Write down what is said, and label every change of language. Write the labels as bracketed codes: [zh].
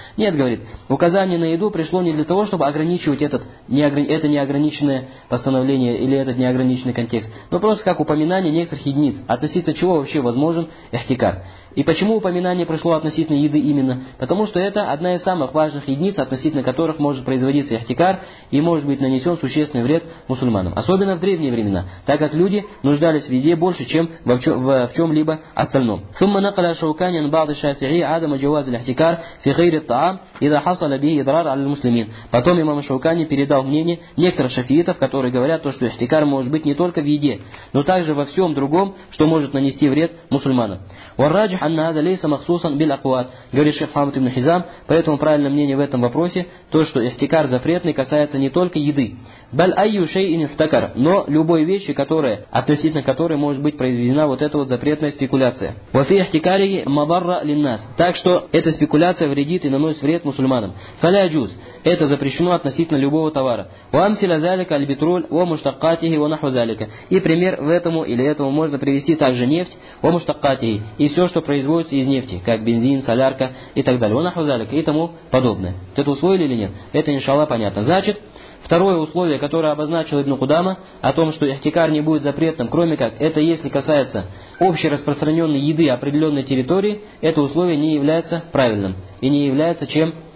[ru] Нет, говорит, указание на еду пришло не для того, чтобы ограничивать это неограниченное постановление или этот неограниченный контекст, но просто как упоминание некоторых единиц, относительно чего вообще возможен ихтикар. И почему упоминание пришло относительно еды именно? Потому что это одна из самых важных единиц, относительно которых может производиться ихтикар и может быть нанесен существенный вред мусульманам. Особенно в древние времена, так как люди нуждались в еде больше, чем в чем-либо остальном. [ar] ثم نقل شوكاني عن بعض الشافعي عدم جواز الاحتكار في غير الطعام إذا حصل به إضرار على المسلمين. [ru] Потом имам Шаукани передал мнение некоторых шафиитов, которые говорят то, что ихтикар может быть не только в еде, но также во всем другом, что может нанести вред мусульманам. [ar] والراجح أن هذا ليس مخصوصا بالأقوات. [ru] Говорит шейх Мухаммад ибн Хизам. Поэтому правильное мнение в этом вопросе то, что ихтикар запретный касается не только еды. [ar] بل أي شيء يحتكر. [ru] Но любой вещи, которая относительно которой может быть произведена вот эта вот запретная спекуляция. [ar] وفي احتكاره مضرة للناس. [ru] Так что эта спекуляция вредит и наносит вред мусульманам. [ar] فلا يجوز. [ru] Это запрещено относительно любого товара. [ar] وأمثلة ذلك البترول ومشتقاته ونحو ذلك. [ru] И пример в этому или этому можно привести также нефть ومشتقاته и все, что производится из нефти, как бензин, солярка и так далее. [ar] ونحو ذلك [ru] и тому подобное. Ты это усвоили или нет? Это иншаллах понятно. Значит, второе условие, которое обозначил Ибн Кудама, о том, что ихтикар не будет запретным, кроме как это если касается общераспространенной еды определенной территории, это условие не является правильным и не является чем